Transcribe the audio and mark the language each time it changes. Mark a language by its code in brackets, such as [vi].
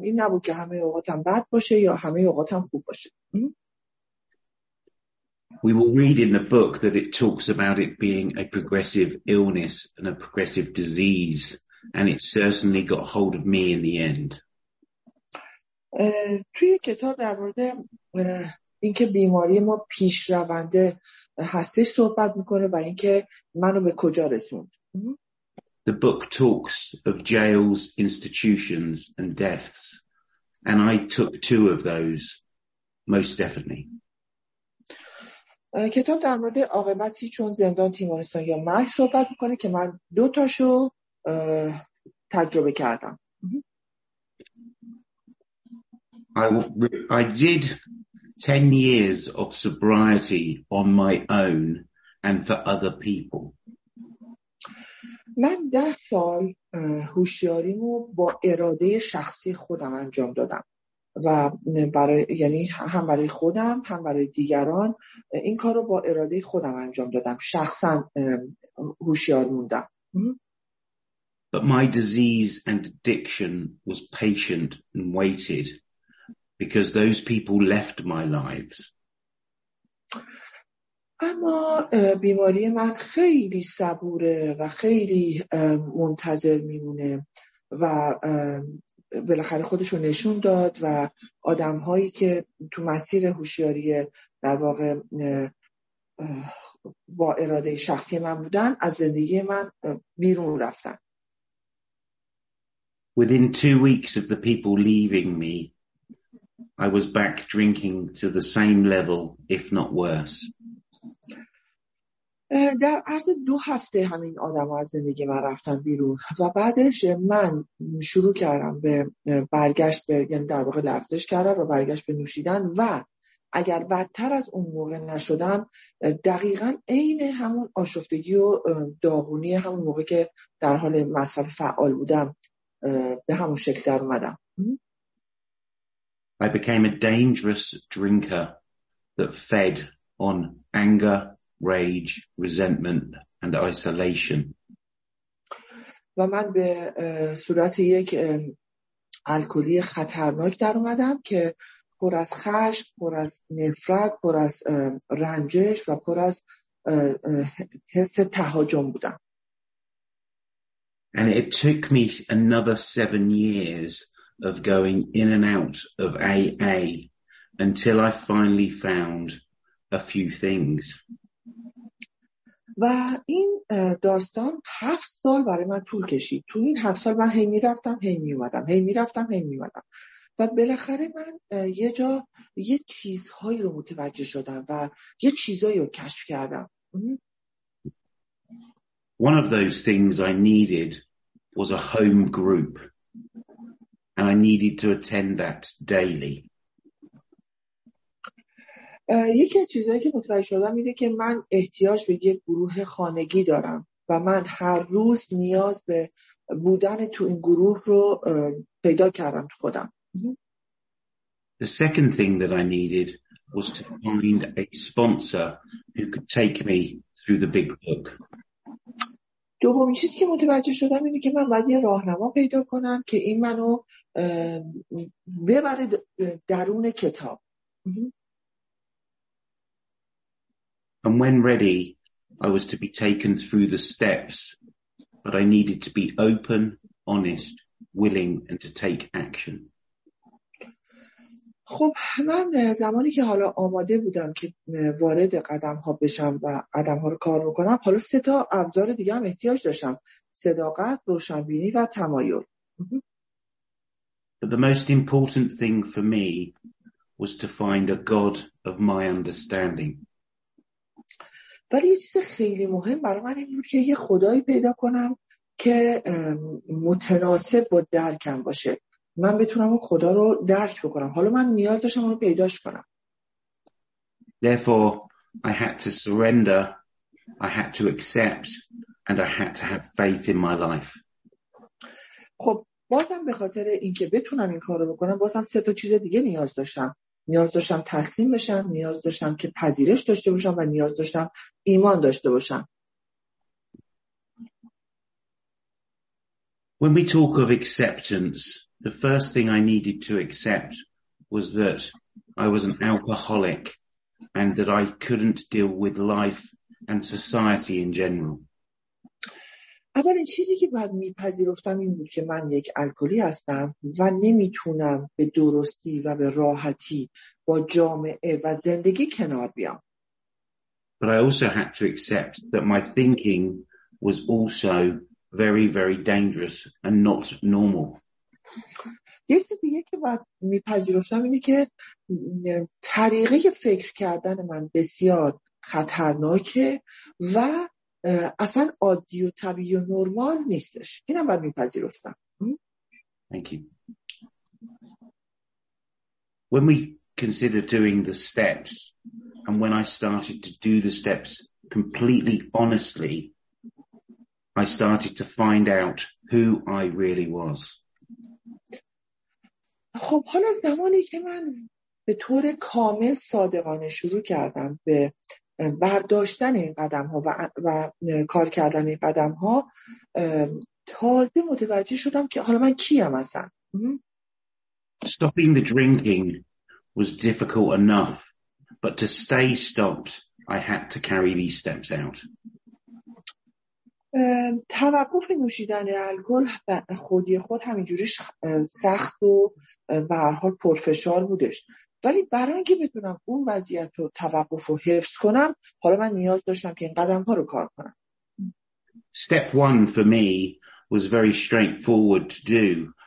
[fa] این نبود که همه اوقاتم بد باشه یا همه اوقاتم خوب باشه. [en] We will read in the book that it talks about it being a progressive illness and a progressive disease, and it certainly got hold of me in the end. [fa] توی کتاب در مورد اینکه بیماری ما پیشرونده هستش صحبت میکنه و اینکه منو به کجا رسوند. [en] The book talks of jails, institutions and deaths, and I took two of those most definitely. [fa] کتاب در مورد عاقبتی چون زندان، تیمارستان یا مرگ صحبت میکنه که من دو تاشو تجربه کردم. [en] I did 10 years of sobriety on my own and for other people. [fa] من 10 سال هوشیاریمو با اراده شخصی خودم انجام دادم و برای یعنی هم برای خودم هم برای دیگران این کار رو با اراده خودم انجام دادم، شخصا هوشیار موندم. [en] But my disease and addiction was patient and waited because those people left my lives. [fa] اما بیماری من خیلی صبوره و خیلی منتظر میمونه و بالاخره خودشو نشون داد و آدم هایی که تو مسیر هوشیاری در واقع با اراده شخصی من بودن از زندگی من بیرون رفتن. [en] Within 2 weeks of the people leaving me, I was back drinking to the same level, if not worse. [fa] در عرض 2 هفته همین آدم ها از زندگی من رفتن بیرون و بعدش من شروع کردم به برگشت به، یعنی در واقع لغزش کردم و برگشت به نوشیدن و اگر بدتر از اون موقع نشدم دقیقا این همون آشفتگی و داغونی همون موقع که در حال مصرف فعال بودم به همون شکل در اومدم. [en] I became a dangerous drinker that fed on anger, rage, resentment and isolation. [fa] و من به صورت یک الکلی خطرناک در اومدم که پر از خشم، پر از نفرت، پر از رنجش و پر از حس تهاجم بودم. [en] And it took me another 7 years of going in and out of AA until I finally found a few things. [fa] و این داستان 7 سال برای من طول کشید. تو این 7 سال من هی میرفتم هی میومدم هی میرفتم هی میومدم و بالاخره من یه جا یه چیزهایی رو متوجه شدم و یه چیزهایی رو کشف کردم. [en] One of those things I needed was a home group and I needed to attend that daily. [fa] یکی از چیزایی که متوجه شدم اینه که من احتیاج به یک گروه خانگی دارم و من هر روز نیاز به بودن تو این گروه رو پیدا کردم تو خودم. [en] The second thing that I needed was to find a sponsor who could take me through the big book. [fa] دومین چیزی که متوجه شدم اینه که من باید یه راهنما پیدا کنم که این منو ببره درون کتاب. [en] And when ready, I was to be taken through the steps, but I needed to be open, honest, willing, and to take action. [fa] خب من زمانی که حالا آماده بودم که وارد قدم‌ها بشم و قدم‌ها رو کار بکنم، حالا سه تا ابزار دیگه هم احتیاج داشتم: صداقت، روشنبینی و تمایل. [en] But the most important thing for me was to find a God of my understanding. [fa] ولی یه چیز خیلی مهم برای من این بود که یه خدایی پیدا کنم که متناسب با درکم باشه، من بتونم اون خدا رو درک بکنم. حالا من نیاز داشتم اون رو پیداش کنم. [en] Therefore I had to surrender, I had to accept, and I had to have faith in my life. [fa] خب بازم به خاطر اینکه بتونم این کارو بکنم، بازم سه تا چیز دیگه نیاز داشتم. نیاز داشتم تسلیم بشم، نیاز داشتم که پذیرش داشته باشم و نیاز داشتم ایمان داشته باشم. [en] When we talk of acceptance, the first thing I needed to accept was that I was an alcoholic and that I couldn't deal with life and society in general. [fa] اولین چیزی که بعد میپذیرفتم این بود که من یک الکلی هستم و نمیتونم به درستی و به راحتی با جامعه و زندگی کنار بیام. [en] But I also had to accept that my thinking was also very very dangerous and not normal. [fa] یه چیز دیگه که بعد میپذیرفتم اینه که طریقه فکر کردن من بسیار خطرناکه و اصلا عادی و طبیعی و نرمال نیستش. اینم بعد میپذیرفتم. [en] Thank you. When we consider doing the steps and when I started to do the steps completely honestly, I started to find out who I really was. [fa] خب حالا زمانی که من به طور کامل صادقانه شروع کردم به برداشتن این قدم ها و کار کردن این قدم ها، تازه متوجه شدم که حالا من کیم اصلا. [en] Stopping the drinking was difficult enough, but to stay stopped I had to carry these steps out. [fa] توقف نوشیدن الکل خودی خود همینجوریش سخت و به هر حال پرفشار بودش، ولی برای اینکه بتونم اون وضعیت رو توقف و حفظ کنم، حالا من نیاز داشتم که این قدم ها رو کار کنم. [en] Step one for me was very straightforward to do.